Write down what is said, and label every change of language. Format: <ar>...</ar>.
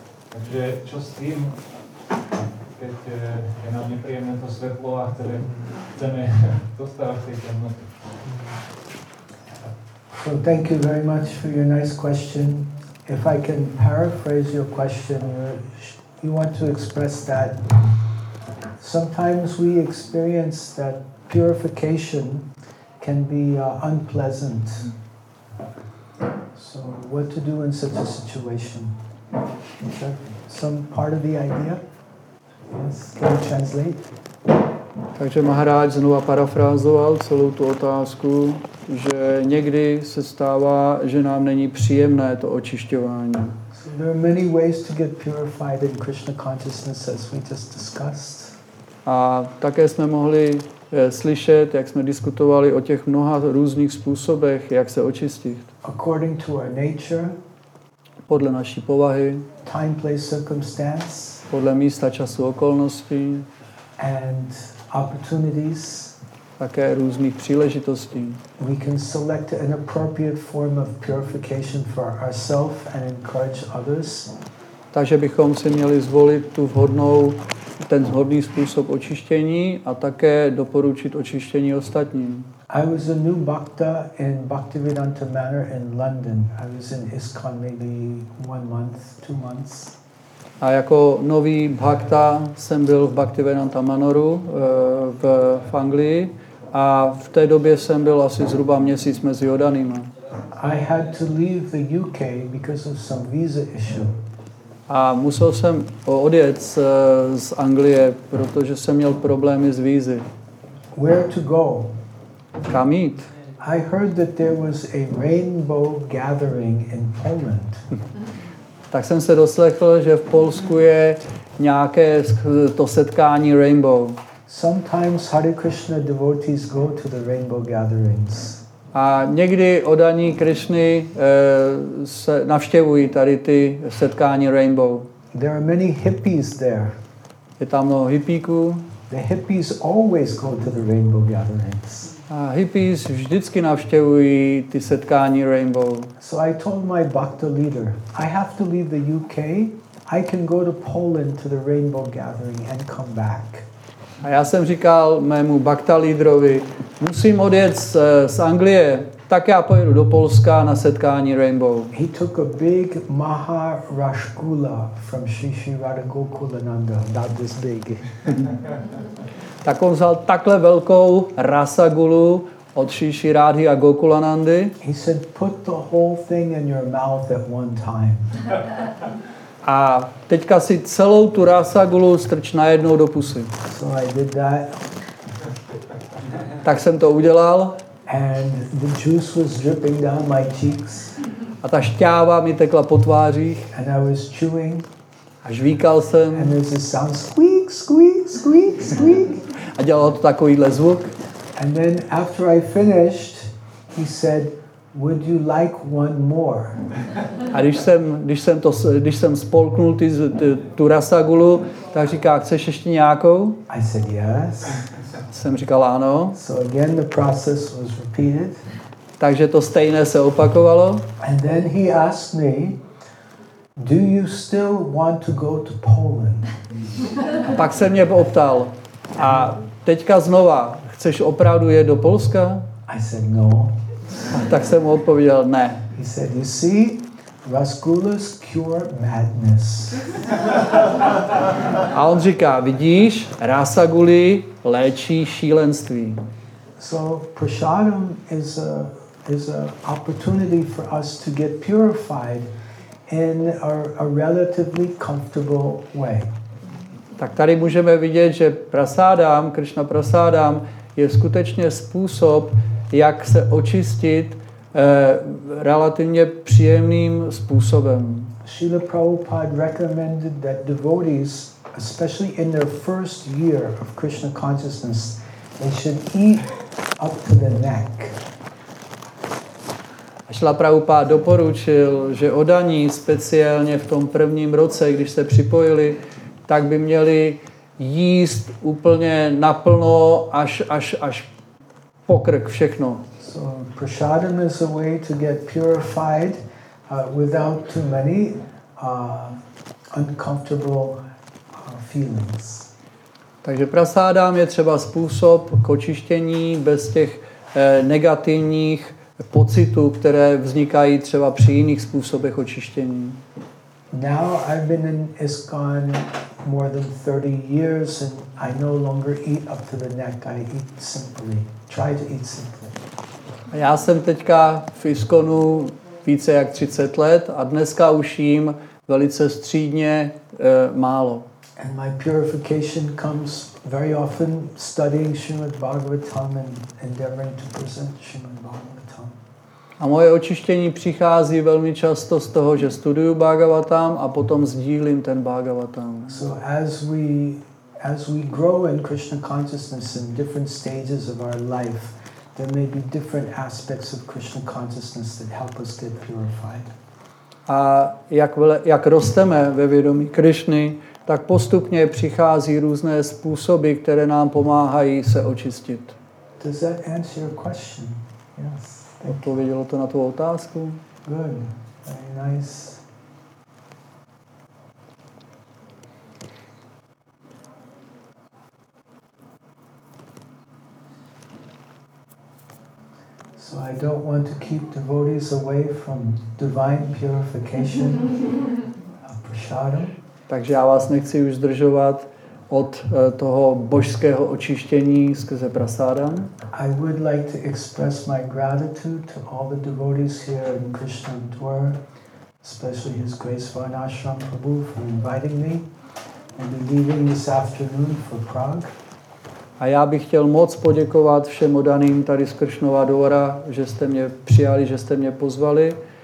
<sk>Takže čo s tým, keď je nám nepríjemné to svetlo a chceme zostávať v tej temnote?</sk> <en>So thank you very much for your nice question. If I can paraphrase your question, you want to express that sometimes we experience that purification can be unpleasant. So what to do in such a situation? Is that some part of the idea? Yes, can you translate?</en> <cs>Takže Maharaj znovu parafrázoval celou tu otázku, že někdy se stává, že nám není příjemné to očišťování.</cs> <en>So there are many ways to get purified in Krishna consciousness, as we just discussed.</en> <cs>A také jsme mohli slyšet, jak jsme diskutovali o těch mnoha různých způsobech, jak se očistit.</cs> <en>According to our nature,</en> <cs>podle naší povahy,</cs> <en>time, place, circumstance,</en> <cs>podle místa, času, okolností,</cs> <en>and opportunities,</en> <cs>také různých příležitostí.</cs> <en>We can select an appropriate form of purification for ourselves and encourage others.</en> <cs>Takže bychom si měli zvolit tu vhodnou, ten vhodný způsob očištění a také doporučit očištění ostatním.</cs> <en>I was a new bhakta in Bhaktivedanta Manor in London. I was in ISKCON maybe 1 month, 2 months.</en> <cs>A jako nový bhakta jsem byl v Bhaktivedanta Manoru v Anglii a v té době jsem byl asi zhruba měsíc mezi oddanými.</cs> <en>I had to leave the UK because of some visa issue.</en> <cs>A musel jsem odjet z Anglie, protože jsem měl problémy s vízy.</cs> <en>Where to go?</en> <cs>Kam jít?</cs> <en>I heard that there was a rainbow gathering in Poland.</en> <cs>Tak jsem se doslechl, že v Polsku je nějaké to setkání rainbow.</cs> <en>Sometimes Hare Krishna devotees go to the rainbow gatherings.</en> <cs>A někdy oddaní Krishny se navštěvují tady ty setkání rainbow.</cs> <en>There are many hippies there.</en> <cs>Je tam mnoho hippíků.</cs> <en>The hippies always go to the rainbow gatherings.</en> <cs>A hippies vždycky navštěvují ty setkání rainbow.</cs> <en>So I told my bhakta leader, I have to leave the UK, I can go to Poland to the rainbow gathering and come back.</en> <cs>A já jsem říkal mému bhakta leaderovi, musím odjet z Anglie, tak já pojedu do Polska na setkání rainbow.</cs> <en>He took a big maha rashgula from Sri Sri Radha Gokulananda, not this big.</en> <cs>Tak on vzal takhle velkou rasagulu od Sri Sri Radhy a Gokulanandy.</cs> <en>He said, put the whole thing in your mouth at one time.</en> <cs>A teďka si celou tu rasagulu strč najednou do pusy.</cs> <en>So I did that.</en> <cs>Tak jsem to udělal.</cs> <en>And the juice was dripping down my cheeks.</en> <cs>A ta šťáva mi tekla po tvářích.</cs> <en>And I was chewing.</en> <cs>A žvíkal jsem.</cs> <en>And there's a sound, squeak, squeak, squeak, squeak.</en> <cs>A dělalo to takovýhle zvuk.</cs> <en>And then after I finished, he said, would you like one more?</en> <cs>A když jsem spolknul tu rasagulu, tak říká, chceš ještě nějakou?</cs> <en>I said yes.</en> <cs>Jsem říkal ano.</cs> <en>So again the process was repeated.</en> <cs>Takže to stejné se opakovalo.</cs> <en>And then he asked me, do you still want to go to Poland?</en> <cs>A pak se mě optal, a teďka znova, chceš opravdu jet do Polska?</cs> <en>I said no.</en> <cs>A tak jsem mu odpověděl, ne.</cs> <en>He said, you see, rasgulas cure madness.</en> <cs>A on říká, vidíš, rasaguly léčí šílenství.</cs> <en>So prasadam is a opportunity for us to get purified in a relatively comfortable way.</en> <cs>Tak tady můžeme vidět, že prasádám, Krishna prasádám, je skutečně způsob, jak se očistit relativně příjemným způsobem.</cs> <en>Srila Prabhupada recommended that devotees, especially in their first year of Krishna consciousness, they should eat up to the neck.</en> <cs>Srila Prabhupada doporučil, že oddaní speciálně v tom prvním roce, když se připojili, tak by měli jíst úplně naplno až po krk všechno.</cs> <en>So prasadam is a way to get purified without too many uncomfortable feelings.</en> <cs>Takže prasadam je třeba způsob k očištění bez těch negativních pocitů, které vznikají třeba při jiných způsobech očištění.</cs> <en>Now I've been in ISKCON more than 30 years and I no longer eat up to the neck. I eat simply. Try to eat simply.</en> <cs>A já jsem teďka v ISKCONu více jak 30 let a dneska už jím velice střídně málo.</cs> <en>And my purification comes very often studying Srimad Bhagavatam and endeavoring to present Srimad Bhagavatam.</en> <cs>A moje očištění přichází velmi často z toho, že studuju Bhagavatam a potom sdílím ten Bhagavatam.</cs> <en>So as we grow in Krishna consciousness in different stages of our life, there may be different aspects of Krishna consciousness that help us get purified.</en> <cs>A jak rosteme ve vědomí Krishny, tak postupně přichází různé způsoby, které nám pomáhají se očistit.</cs> <en>Does that answer your question? Yes.</en> <cs>Odpovědělo to na tu otázku?</cs> <en>Good. Very nice. So I don't want to keep devotees away from divine purification of prasadam.</en> <cs>Takže já vás nechci už zdržovat od toho božského očištění skrze prasádam.</cs> <en>I would like to express my gratitude to all the devotees here in Krishna Dwar, especially His Grace Varnashram Prabhu for inviting me and leaving this afternoon for Prague.</en> <cs>A já bych chtěl moc poděkovat všem odaným tady z Krishnova Dvora, že jste mě přijali, že jste mě pozvali.</cs>